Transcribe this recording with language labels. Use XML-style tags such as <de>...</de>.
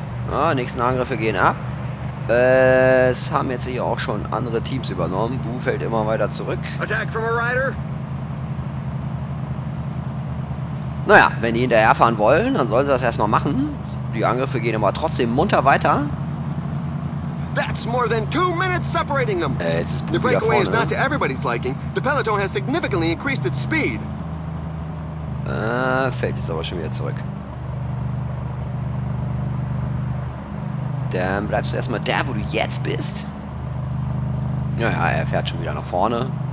<de>Ja, nächsten Angriffe gehen ab. Es haben jetzt hier auch schon andere Teams übernommen. Bu fällt immer weiter zurück.</de> <en>Attack from a rider.</en> <de>Naja, wenn die hinterherfahren wollen, dann sollen sie das erstmal machen. Die Angriffe gehen aber trotzdem munter weiter.</de> <en>That's more than 2 minutes separating them. The breakaway is not to everybody's liking. The peloton has significantly increased its speed.</en> <de>Fällt jetzt aber schon wieder zurück. Dann bleibst du erstmal da, wo du jetzt bist. Naja, er fährt schon wieder nach vorne.</de>